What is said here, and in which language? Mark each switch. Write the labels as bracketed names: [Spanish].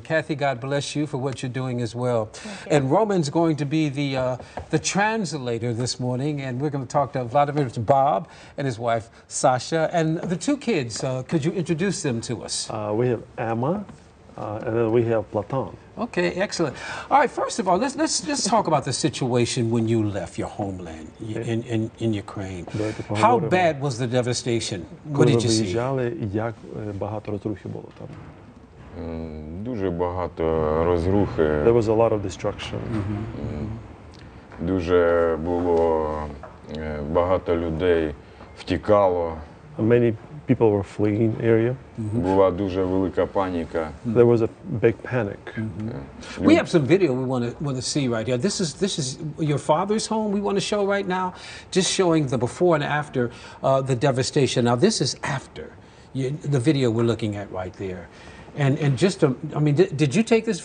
[English] Kathy, God bless you for what you're doing as well. And Roman's going to be the translator this morning, and we're going to talk to Vladimir Bob and his wife, Sasha, and the two kids. Could you introduce them to us? We have Emma, and then we have Platon. Okay, excellent. All right, first of all, let's talk about the situation when you left your homeland in Ukraine. How bad was the devastation? What did you see? [Ukrainian] Як багато розрухи було там? Дуже багато розрухи. [English] There was a lot of destruction. [Ukrainian] Дуже було багато людей втікало. [English] Many people were fleeing area. [Ukrainian] Була дуже велика паніка. [English] There was a big panic. We have some video we want to see right here. This is your father's home we want to show right now, just showing the before and after the devastation. Now this is after the video we're looking at right there. And just I mean, did you take this?